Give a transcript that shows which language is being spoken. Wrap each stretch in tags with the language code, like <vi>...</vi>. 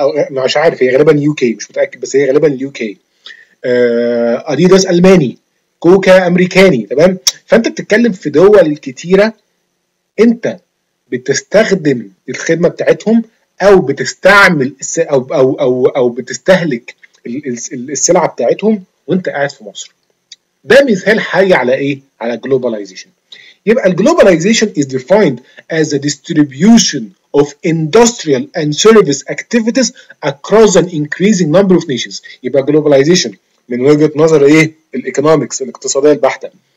<ar>مش عارف هي غالبا يو كي، مش متاكد بس هي غالبا اليو كي، اديداس الماني، كوكا امريكاني، تمام؟ فانت بتتكلم في دول كتيره انت بتستخدم الخدمه بتاعتهم او بتستعمل او او او, أو بتستهلك السلعه بتاعتهم وانت قاعد في مصر. ده مثال حي على ايه؟ على globalization. يبقى</ar> <en>globalization is defined as a distribution of industrial and service activities across an increasing number of nations.</en> <ar>يبقى globalization من وجهة نظر ايه؟ الايكونومكس الاقتصادية البحتة.</ar>